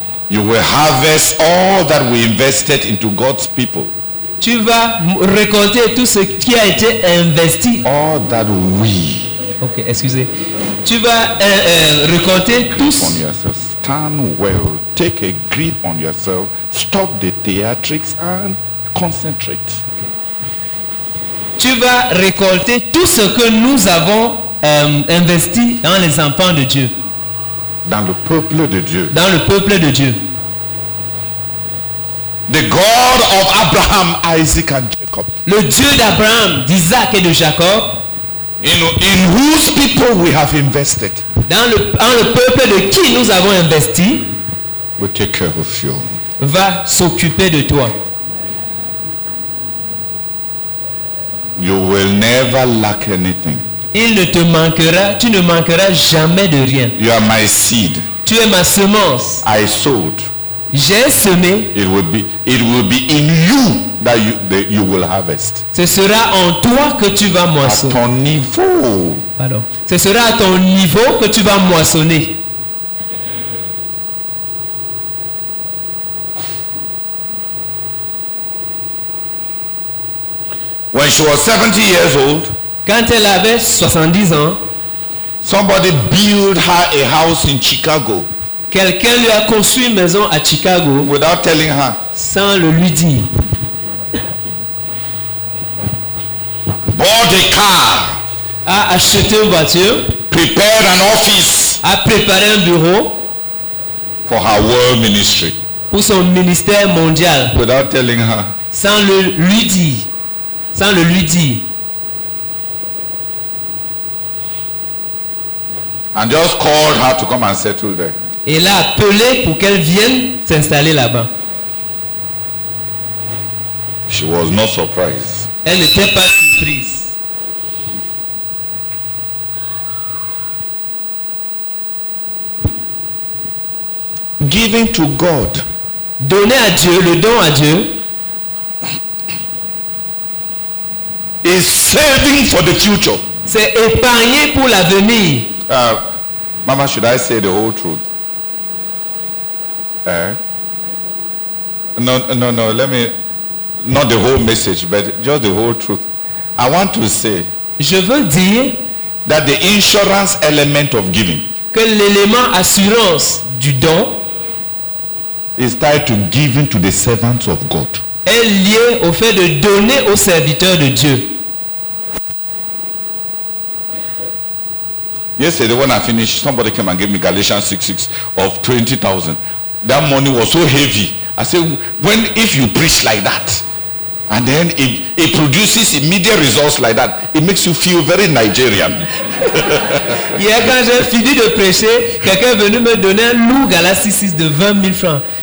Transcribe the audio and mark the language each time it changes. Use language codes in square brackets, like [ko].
[en] You will harvest all that we invested into God's people. [fr] Tu vas récolter tout ce qui a été investi. [en] All that we. [fr] Ok, excusez. Tu vas récolter tout. [en] Grip on yourself. Stand well. Take a grip on yourself. Stop the theatrics and concentrate. [fr] Tu vas récolter tout ce que nous avons investi dans les enfants de Dieu. Dans le peuple de Dieu. Dans le peuple de Dieu. [en] The God of Abraham, Isaac, and Jacob. [fr] Le Dieu d'Abraham, d'Isaac et de Jacob. [en] In whose people we have invested. [fr] Dans le peuple de qui nous avons investi. [en] Will take care of you. [fr] Va s'occuper de toi. [en] You will never lack anything. [fr] Il ne te manquera, tu ne manqueras jamais de rien. [en] You are my seed. [fr] Tu es ma semence. [en] I sowed. [fr] J'ai semé. [en] It will be in you that you will harvest. [fr] Ce sera en toi que tu vas moissonner. À ton niveau. Pardon. Ce sera à ton niveau que tu vas moissonner. [en] When she was 70 years old. [fr] Quand elle avait 70 ans. [en] Somebody built her a house in Chicago. [fr] Quelqu'un lui a construit une maison à Chicago. [en] Without telling her. [fr] Sans le lui dire. [en] Bought a car. [fr] A acheté une voiture. [en] Prepared an office. [fr] A préparé un bureau. [en] For her world ministry. [fr] Pour son ministère mondial. [en] Without telling her. [fr] Sans le lui dire. Sans le lui dire. [en] And just called her to come and settle there. [fr] Et l'a appelé pour qu'elle vienne s'installer là-bas. [en] She was not surprised. [fr] Elle n'était pas surprise. [en] Giving to God. [fr] Donner à Dieu, le don à Dieu. [en] Is saving for the future. [fr] C'est épargner pour l'avenir. [en] Mama, should I say the whole truth? No, let me, not the whole message, but just the whole truth. I want to say, [fr] je veux dire, [en] that the insurance element of giving, [fr] que l'élément assurance du don, [en] is tied to giving to the servants of God, [fr] est lié au fait de donner aux serviteurs de Dieu. [en] Yesterday when I finished, somebody came and gave me Galatians 6:6 of 20,000. That money was so heavy. I said, when if you preach like that, and then it produces immediate results like that, it makes you feel very Nigerian. [fr] Hier quand j'ai fini de prêcher, quelqu'un est venu me donner un lourd Galatians 6:6 de 20,000 francs.